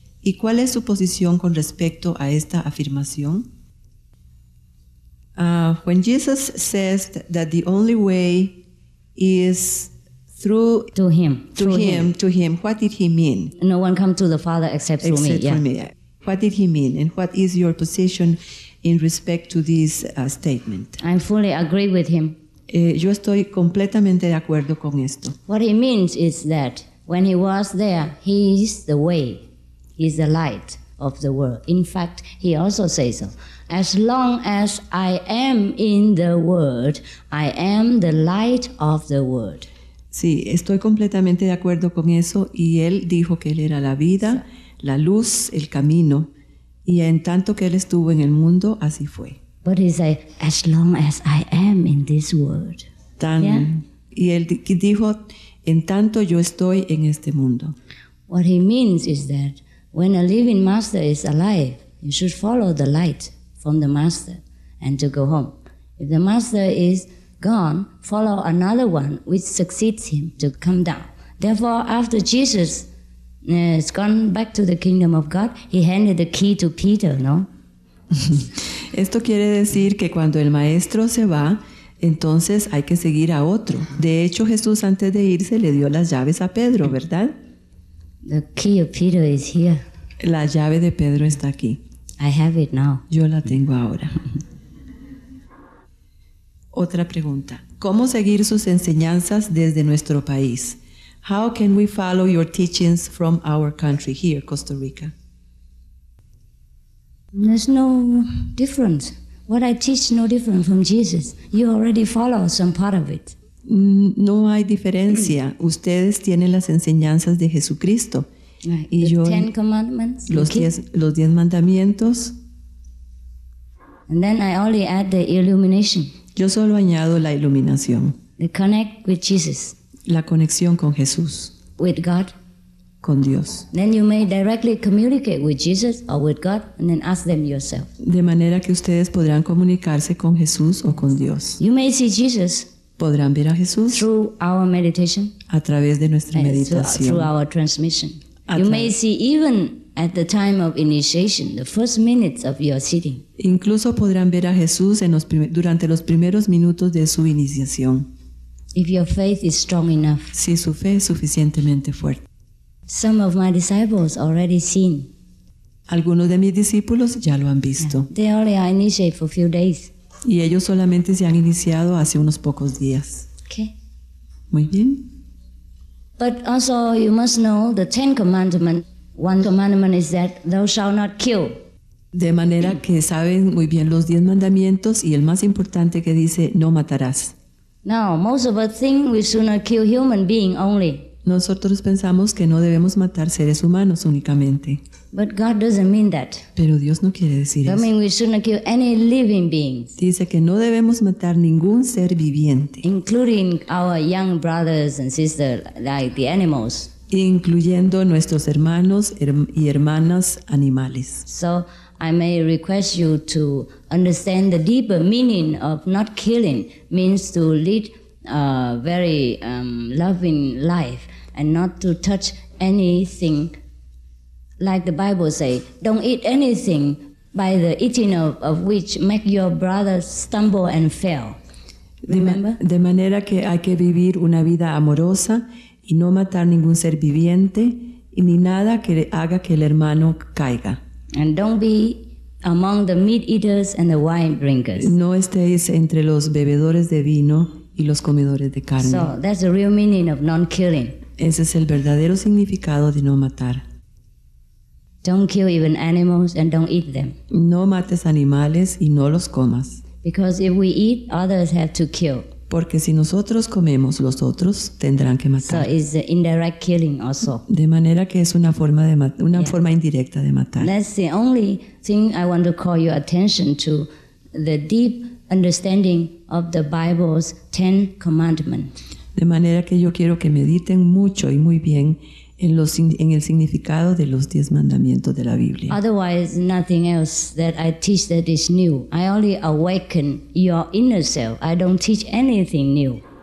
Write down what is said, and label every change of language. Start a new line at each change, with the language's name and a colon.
Spanish: ¿Y cuál es su posición con respecto a esta afirmación?
English: When Jesus says that the only way is through to him, to him, what did he mean? No one comes to the Father except through except me. Through me. What did he mean, and what is your position in respect to this statement? I fully agree with him.
Spanish: Yo estoy completamente de acuerdo con esto.
English: What he means is that when he was there, he is the way, he is the light of the world. In fact, he also says so. As long as I am in the world, I am the light of the world.
Spanish: Sí, estoy completamente de acuerdo con eso. Y él dijo que él era la vida, la luz, el camino. Y en tanto que él estuvo en el mundo, así fue.
English: But he said, as long as I am in this world.
Spanish: Y él dijo, en tanto yo estoy en este mundo.
English: What he means is that when a living master is alive, you should follow the light from the master and to go home. If the master is gone, follow another one which succeeds him to come down. Therefore, after Jesus has gone back to the kingdom of God, he handed the key to Peter, no?
Spanish: Esto quiere decir que cuando el maestro se va, entonces hay que seguir a otro. De hecho, Jesús antes de irse le dio las llaves a Pedro, ¿verdad?
English: The key of Peter is here.
Spanish: La llave de Pedro está aquí.
English: I have it now.
Spanish: Yo la tengo ahora. Otra pregunta. ¿Cómo seguir sus enseñanzas desde nuestro país?
English: How can we follow your teachings from our country here, Costa Rica? There's no difference. What I teach is no different from Jesus. You already follow some part of it.
Spanish: No hay diferencia. Ustedes tienen las enseñanzas de Jesucristo.
English: Right. Ten commandments.
Spanish: Los diez mandamientos.
English: And then I only add the illumination.
Spanish: Yo solo añado la iluminación.
English: The connect with Jesus.
Spanish: La conexión con Jesús.
English: With God.
Spanish: Con Dios.
English: Then you may directly communicate with Jesus or with God, and then ask them yourself.
Spanish: De manera que ustedes podrán comunicarse con Jesús o con Dios.
English: You may see Jesus.
Spanish: Podrán ver a Jesús.
English: Through our meditation.
Spanish: A través de nuestra meditación.
English: Through our transmission. You may see even at the time of initiation, the first minutes of your sitting.
Spanish: Incluso podrán ver a Jesús durante los primeros minutos de su iniciación.
English: If your faith is strong enough.
Spanish: Si su fe es suficientemente fuerte.
English: Some of my disciples already seen.
Spanish: Algunos de mis discípulos ya lo han visto.
English: Yeah. They only are initiated for a few days.
Spanish: Y ellos solamente se han iniciado hace unos pocos días.
English: Okay.
Spanish: Muy bien.
English: But also you must know the Ten Commandments. One commandment is that thou shalt not kill.
Spanish: De manera que saben muy bien los diez mandamientos y el más importante que dice, no matarás.
English: Now, most of us think we should not kill human beings only.
Spanish: Nosotros pensamos que no debemos matar seres humanos únicamente.
English: But God doesn't mean that.
Spanish: Pero Dios no quiere decir eso.
English: We should not kill any living beings.
Spanish: Dice que no debemos matar ningún ser viviente.
English: Including our young brothers and sisters, like the animals.
Spanish: Incluyendo nuestros hermanos y hermanas animales.
English: So I may request you to understand the deeper meaning of not killing means to lead a very loving life and not to touch anything. Like the Bible say, don't eat anything by the eating of which make your brother stumble and fail. Remember?
Spanish: De manera que hay que vivir una vida amorosa y no matar ningún ser viviente y ni nada que haga que el hermano caiga.
English: And don't be among the meat eaters and the wine drinkers.
Spanish: No estéis entre los bebedores de vino y los comedores de carne.
English: So that's the real meaning of non-killing.
Spanish: Ese es el verdadero significado de no matar.
English: Don't kill even animals and don't eat them.
Spanish: No mates animales y no los comas.
English: Because if we eat, others have to kill.
Spanish: Porque si nosotros comemos, los otros tendrán que matar.
English: So it's an indirect killing also.
Spanish: De manera que es una forma de forma indirecta de matar.
English: That's the only thing I want to call your attention to, the deep understanding of the Bible's Ten Commandments.
Spanish: De manera que yo quiero que mediten mucho y muy bien en el significado de los 10 mandamientos de la Biblia.
English: Otherwise, nothing else that I teach that is new. I only awaken your inner self. I don't teach anything new.